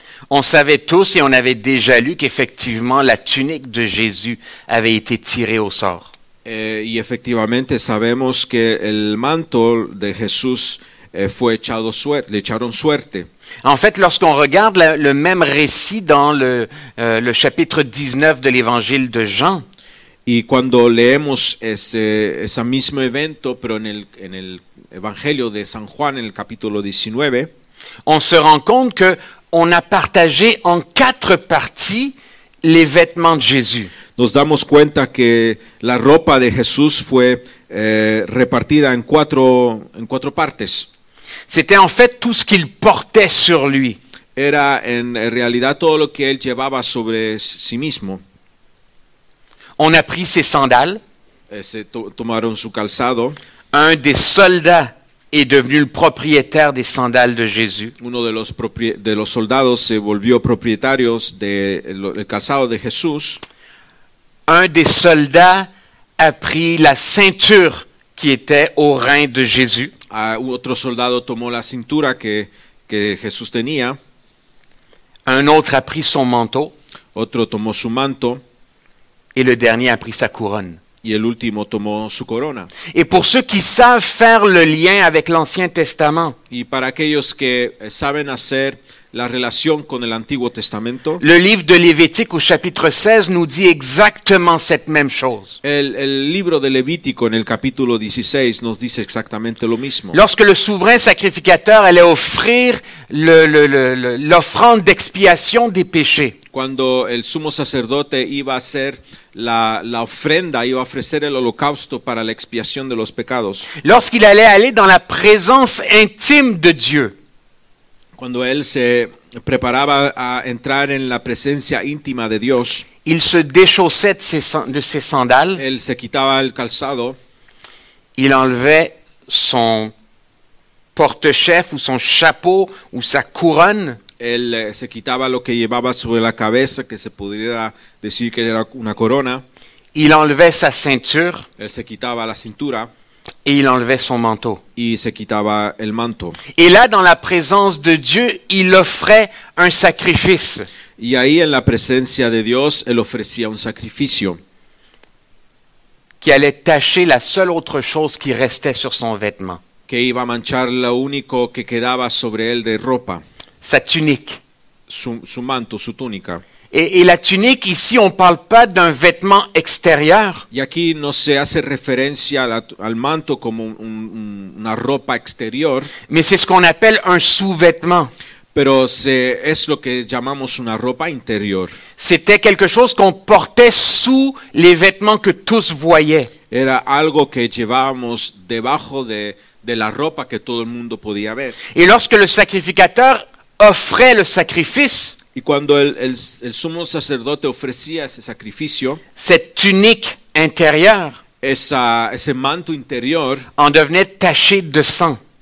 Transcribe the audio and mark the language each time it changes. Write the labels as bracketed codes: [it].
[fr] On savait tous et on avait déjà lu qu'effectivement la tunique de Jésus avait été tirée au sort. [es] Y efectivamente sabemos que el manto de Jesús fue echado suerte, le echaron suerte. [fr] En fait, lorsqu'on regarde le même récit dans le chapitre 19 de l'évangile de Jean, [es] y cuando leemos ese mismo evento, pero en el Evangelio de San Juan, en el capítulo 19, [fr] on se rend compte que on a partagé en quatre parties les vêtements de Jésus. [es] Nos damos cuenta que la ropa de Jesús fue repartida en cuatro partes. [fr] C'était en fait tout ce qu'il portait sur lui. [es] Era en realidad todo lo que él llevaba sobre sí mismo. [fr] On a pris ses sandales. [es] Tomaron su calzado. [fr] Un des soldats est devenu le propriétaire des sandales de Jésus. [es] Uno de los soldados se volvió propietario del calzado de Jesús. [fr] Un des soldats a pris la ceinture qui était au rein de Jésus. [es] Otro soldado tomó la cintura que Jesús tenía. [fr] Un autre a pris son manteau. [es] Otro tomó su manto. [fr] Et le dernier a pris sa couronne. [es] Y el último tomó su corona. [fr] Et pour ceux qui savent faire le lien avec l'Ancien Testament. [es] Y para aquellos que saben hacer la relación con el Antiguo Testamento. [fr] Le livre de Lévitique au chapitre 16 nous dit exactement cette même chose. [es] El libro de Levítico en el capítulo 16 nos dice exactamente lo mismo. [fr] Lorsque le souverain sacrificateur allait offrir l'offrande d'expiation des péchés. [es] Cuando el sumo sacerdote iba a hacer la ofrenda, iba a ofrecer el holocausto para la expiación de los pecados. [fr] Lorsqu'il allait aller dans la présence intime de Dieu. [es] Cuando él se preparaba a entrar en la presencia íntima de Dios. [fr] Il se déchaussait de ses sandales. [es] Él se quitaba el calzado. [fr] Il enlevait son porte-chef ou son chapeau ou sa couronne. [es] Él se quitaba lo que llevaba sobre la cabeza, que se pudiera decir que era una corona. [fr] Il enlevait sa ceinture. [es] Él se quitaba la cintura. [fr] Et il enlevait son manteau. [es] Y se quitaba el manto. [fr] Et là, dans la présence de Dieu, il offrait un sacrifice. [es] Y ahí, en la presencia de Dios, él ofrecía un sacrificio. [fr] Qui allait tacher la seule autre chose qui restait sur son vêtement. [es] Que iba a manchar lo único que quedaba sobre él de ropa. [fr] Sa tunique. [es] Su manto, su túnica. [fr] Et la tunique, ici, on ne parle pas d'un vêtement extérieur. [es] Y aquí no se hace referencia al manto como una ropa exterior. [fr] Mais c'est ce qu'on appelle un sous-vêtement. [es] Pero es lo que llamamos una ropa interior. [fr] C'était quelque chose qu'on portait sous les vêtements que tous voyaient. [es] Era algo que llevábamos debajo de la ropa que todo el mundo podía ver. [fr] Et lorsque le sacrificateur offrait le sacrifice. [es] Y cuando el sumo sacerdote ofrecía ese sacrificio. [fr] Cette tunique intérieure. [es] Ese manto interior. [fr] En devenait taché de sang.